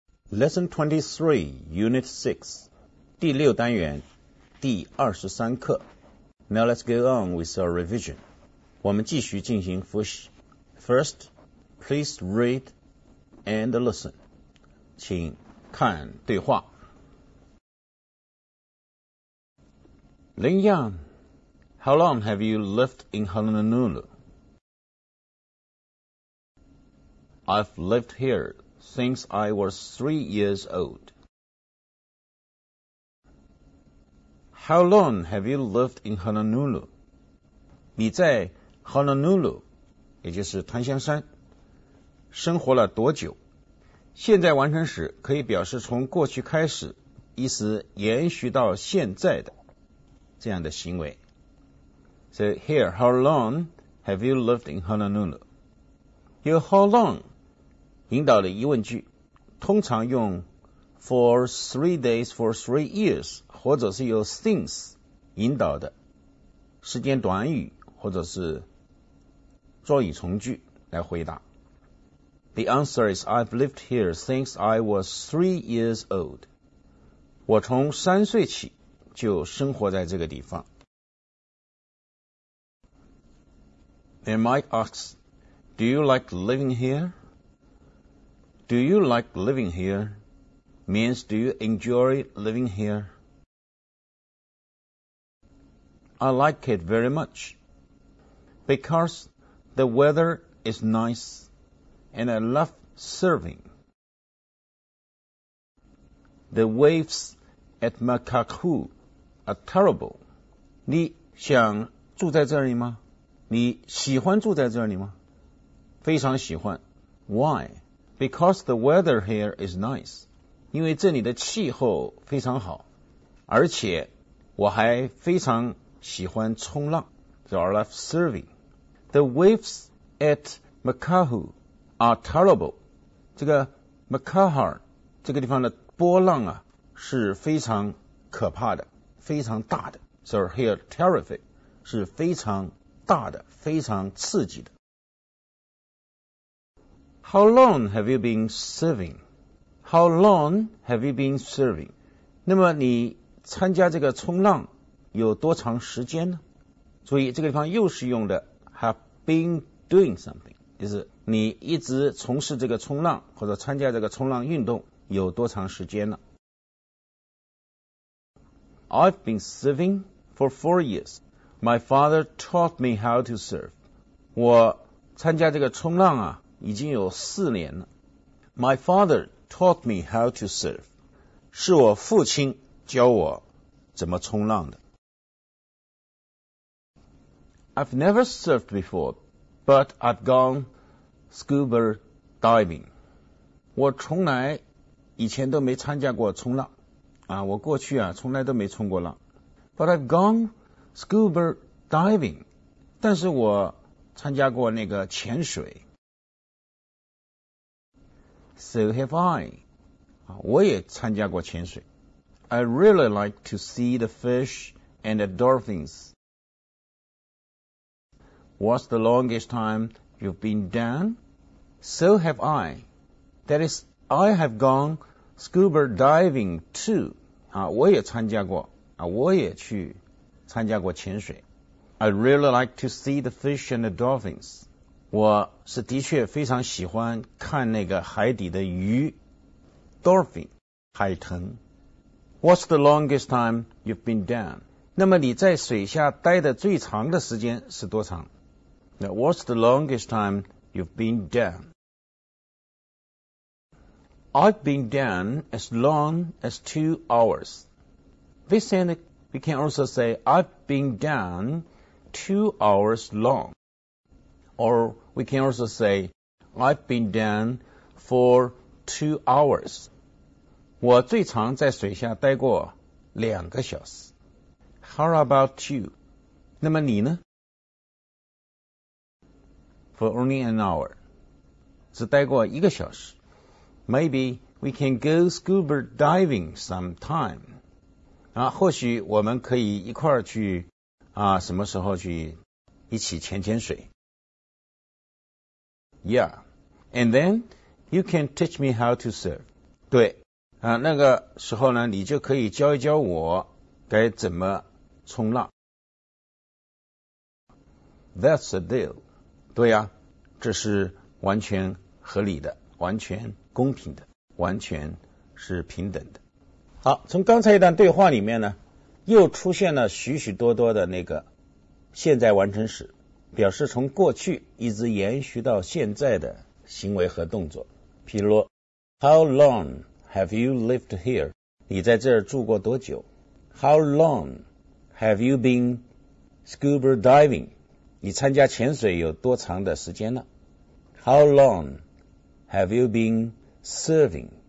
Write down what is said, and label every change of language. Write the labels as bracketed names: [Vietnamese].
[English] Lesson 23, Unit 6, [Chinese] 第六单元，第二十三课。 [English] Now let's go on with our revision. [Chinese] 我们继续进行复习。 [English] First, please read and listen. [Chinese] 请看对话。 [English] Lin Yan, how long have you lived in Honolulu? I've lived here. Since I was 3 years old. How long have you lived in Honolulu? [Chinese] 你在 Honolulu, 也就是檀香山，生活了多久？现在完成时可以表示从过去开始，意思延续到现在的这样的行为。 [English] So here, how long have you lived in Honolulu? You how long? [Chinese] 引导的疑问句通常用 [English] for 3 days, for 3 years, [Chinese] 或者是由 since 引导的时间短语或者是状语从句来回答。 [English] The answer is I've lived here since I was 3 years old. [Chinese] 我从三岁起就生活在这个地方。 [English] Then Mike asks, Do you like living here? Do you like living here? Means do you enjoy living here? I like it very much. Because the weather is nice and I love surfing. The waves at Makaku are terrible. [Chinese] 你想住在这里吗？你喜欢住在这里吗？非常喜欢。 [English] Why? Because the weather here is nice. [Chinese] 因为这里的气候非常好，而且我还非常喜欢冲浪。 [English] So I love surfing. The waves at Makaku are terrible. [Chinese] 这个 Makaha 这个地方的波浪啊是非常可怕的，非常大的。 [English] So here terrific [Chinese] 是非常大的，非常刺激的。 [English] How long have you been serving? How long have you been serving? [Chinese] 那么你参加这个冲浪有多长时间呢？注意这个地方又是用的 [English] have been doing something, [Chinese] 就是你一直从事这个冲浪或者参加这个冲浪运动有多长时间呢？ [English] I've been serving for 4 years. My father taught me how to surf. [Chinese] 我参加这个冲浪啊已经有四年了。 [English] My father taught me how to surf. [Chinese] 是我父亲教我怎么冲浪的。 [English] I've never surfed before, but I've gone scuba diving. [Chinese] 我从来以前都没参加过冲浪。啊，我过去啊，从来都没冲过浪。 [English] But I've gone scuba diving. [Chinese] 但是我参加过那个潜水。 [English] So have I. [Chinese] 我也参加过潜水。 [English] I really like to see the fish and the dolphins. What's the longest time you've been down? So have I. That is, I have gone scuba diving too. [Chinese] 我也参加过。我也去参加过潜水。 [English] I really like to see the fish and the dolphins. [Chinese] 我是的确非常喜欢看那个海底的鱼 ,dolphin, 海豚。 [English] What's the longest time you've been down? [Chinese] 那么你在水下待的最长的时间是多长？ [English] Now, what's the longest time you've been down? I've been down as long as 2 hours. This end, we can also say, I've been down 2 hours long. Or we can also say, I've been down for 2 hours. [Chinese] 我最长在水下待过两个小时。 [English] How about you? [Chinese] 那么你呢？ [English] For only an hour. [Chinese] 只待过一个小时。 [English] Maybe we can go scuba diving sometime. [Chinese] 或许我们可以一块儿去什么时候去一起潜水。 [English] Yeah, and then you can teach me how to surf. [Chinese] 对，啊，那个时候呢，你就可以教一教我该怎么冲浪。 [English] That's a deal. [Chinese] 对呀，这是完全合理的，完全公平的，完全是平等的。好，从刚才一段对话里面呢，又出现了许许多多的那个现在完成时，表示从过去一直延续到现在的行为和动作。譬如 [English] How long have you lived here? [Chinese] 你在这儿住过多久？ [English] How long have you been scuba diving? [Chinese] 你参加潜水有多长的时间了？ [English] How long have you been surfing?